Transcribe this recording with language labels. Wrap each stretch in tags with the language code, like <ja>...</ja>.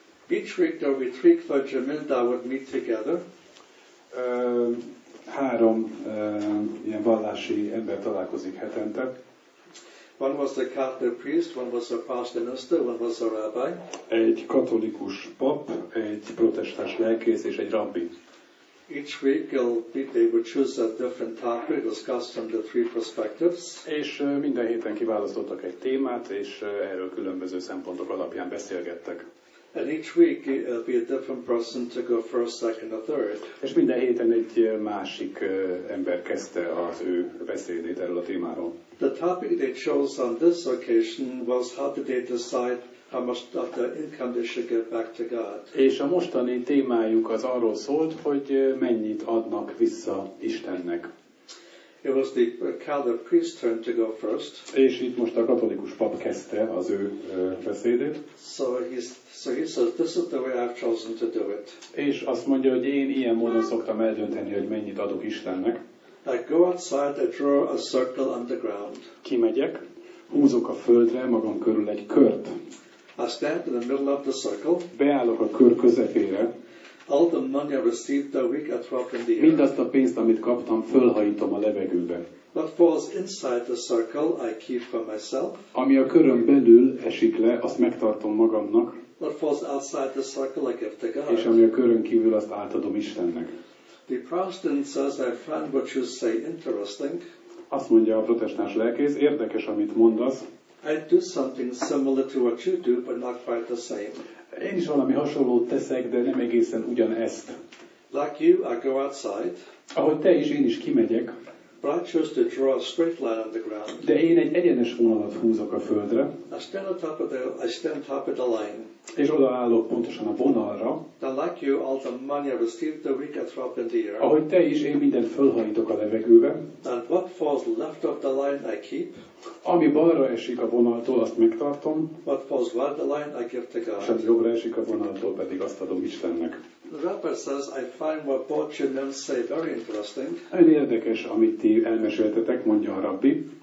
<en>Each week there would be three clergymen that would meet together.</en> <hu>Három ilyen vallási ember találkozik hetente.</hu> <en>One was a Catholic priest, one was a pastor minister, one was a rabbi.</en> <hu>Egy katolikus pap, egy protestáns lelkész és egy rabbi.</hu> <en>Each week they would choose a different topic, discuss from the three perspectives.</en> <hu>És minden héten kiválasztottak egy témát, és erről különböző szempontok alapján beszélgettek.</hu> <en>And each week it'll be a different person to go first, second, or third.</en> <hu>És minden héten egy másik ember kezdte az ő beszédét erről a témáról.</hu> <en>The topic they chose on this occasion was how did they decide how much of the income they should give back to God.</en> <hu>És a mostani témájuk az arról szólt, hogy mennyit adnak vissza Istennek.</hu> <en>It was the Catholic priest's turn to go first.</en> <hu>És itt most a katolikus pap kezdte az ő beszédét.</hu> <en>So he says, this is the way I've chosen to do it.</en> <hu>És azt mondja, hogy én ilyen módon szoktam eldönteni, hogy mennyit adok Istennek.</hu> <en>I go outside and draw a circle on the ground.</en> <hu>Kimegyek, húzok a földre magam körül egy kört.</hu> <en>I stand in the middle of the circle.</en> <hu>Beállok a kör közepére.</hu> <en>All the money I received that week I throw up in the air.</en> <hu>Mindazt a pénzt, amit kaptam, fölhajítom a levegőbe.</hu> <en>What falls inside the circle, I keep for myself.</en> <hu>Ami a körön belül esik le, azt megtartom magamnak.</hu> <en>What falls outside the circle, I give to God.</en> <hu>És ami a körön kívül, azt átadom Istennek.</hu> <en>The Protestant says, I find what you say interesting.</en> <hu>Azt mondja a protestáns lelkész, érdekes, amit mondasz.</hu> <en>I do something similar to what you do, but not quite the same.</en> <hu>Én is valami hasonlót teszek, de nem egészen ugyanezt.</hu> <en>Like you, I go outside.</en> <hu>Ahogy te is, én is kimegyek.</hu> <en>But I choose to draw a straight line on the ground.</en> <hu>De én egy egyenes vonalat húzok a földre.</hu> <en>I stand on top of the line.</en> <hu>És odaállok pontosan a vonalra.</hu> <en>Then like you, all the money I received the week I throw up in the air.</en> <hu>Ahogy te is, én mindent fölhajítok a levegőbe.</hu> <en>And what falls left of the line, I keep.</en> <hu>Ami balra esik a vonaltól, azt megtartom.</hu> <en>What falls right the line, I give to God.</en> <hu>És ami jobbra esik a vonaltól, pedig azt adom Istennek.</hu> <en>The rapper says, I find what both your men say very interesting.</en> <hu>Nagyon érdekes, amit ti elmeséltetek, mondja a rabbi.</hu>